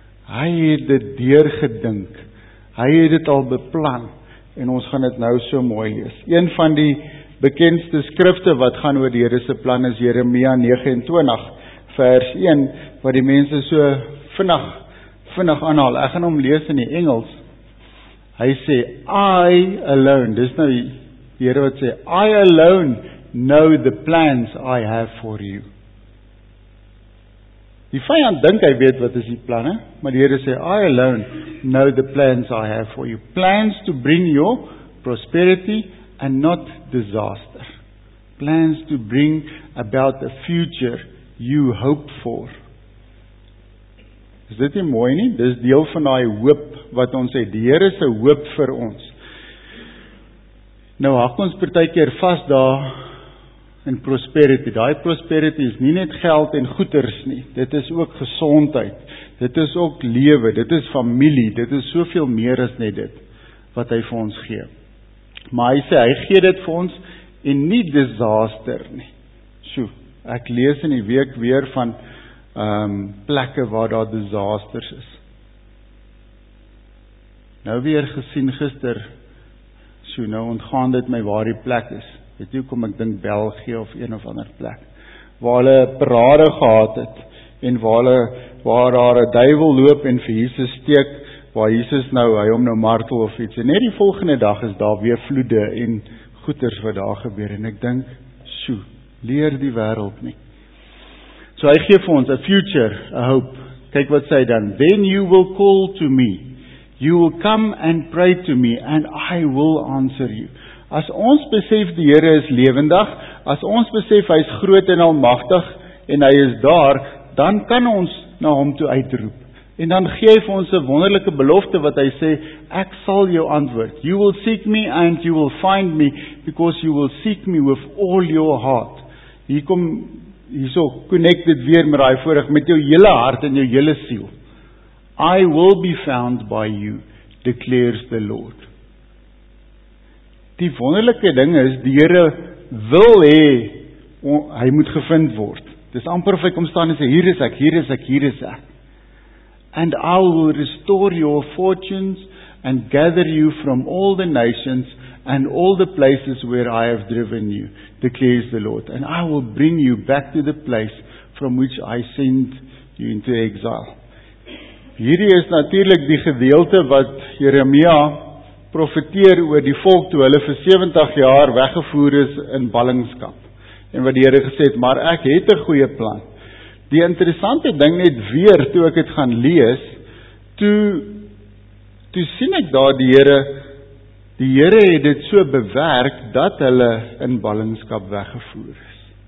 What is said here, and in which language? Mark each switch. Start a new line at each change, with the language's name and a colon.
Afrikaans: Hy het dit deurgedink. Hy het dit al beplan en ons gaan dit nou so mooi lees. Een van die bekendste skrifte wat gaan oor die Here se plan is Jeremia 29 vers 1, wat die mense so vinnig aanhaal. Ek gaan hom lees in die Engels. Hy sê,
English: I alone,
Afrikaans: dis nou die Here wat sê,
English: I alone know the plans I have for you.
Afrikaans: Die vyand dink hy weet wat is die planne, maar die Here sê,
English: I alone know the plans I have for you. Plans to bring your prosperity and not disaster. Plans to bring about the future you hope for.
Afrikaans: Is dit nie mooi nie? Dis deel van daai hoop wat ons het. Die Here se hoop vir ons. Nou hak ons partykeer vas daar in prosperity. Daai prosperity is nie net geld en goeders nie. Dit is ook gesondheid. Dit is ook lewe. Dit is familie. Dit is soveel meer as net dit wat hy vir ons gee. Maar hy sê, hy gee dit vir ons en nie disaster nie. Sjoe, ek lees in die week weer van plekke waar daar disasters is. Nou weer gesien gister, sjoe, nou ontgaan dit my waar die plek is. Weet jy hoekom ek dink België of een of ander plek, waar hulle parade gehad het, en waar daar 'n duiwel loop en vir Jesus steek, waar Jesus nou, hy hom nou martel of iets, en net die volgende dag is daar weer vloede en goeders wat daar gebeur, en ek dink, sjoe, leer die wêreld nie. So hy gee vir ons
English: a future, a hope.
Afrikaans: Kyk wat sê dan,
English: then you will call to me, you will come and pray to me, and I will answer you.
Afrikaans: As ons besef die Here is lewendig, as ons besef hy is groot en almagtig, en hy is daar, dan kan ons na hom toe uitroep. En dan gee hy vir ons 'n wonderlike belofte wat hy sê, ek sal jou antwoord.
English: You will seek me and you will find me, because you will seek me with all your heart.
Afrikaans: Hier kom, hierso connect dit weer met daai vorige, met jou hele hart en jou hele siel.
English: I will be found by you, declares the Lord.
Afrikaans: Die wonderlike ding is, die Here wil hê, hy moet gevind word. Dis amper of hy kom staan en sê, hier is ek,
English: hier is ek, hier is ek. And I will restore your fortunes and gather you from all the nations and all the places where I have driven you, declares the Lord. And I will bring you back to the place from which I sent you into exile.
Afrikaans: Hierdie is natuurlik die gedeelte wat Jeremia profeteer oor die volk toe hulle vir 70 jaar weggevoer is in ballingskap. en wat die Here gesê het, maar ek het 'n goeie plan. Die interessante ding net weer, toe ek het gaan lees, toe sien ek daar die Here het dit so bewerk, dat hulle in ballingskap weggevoer is.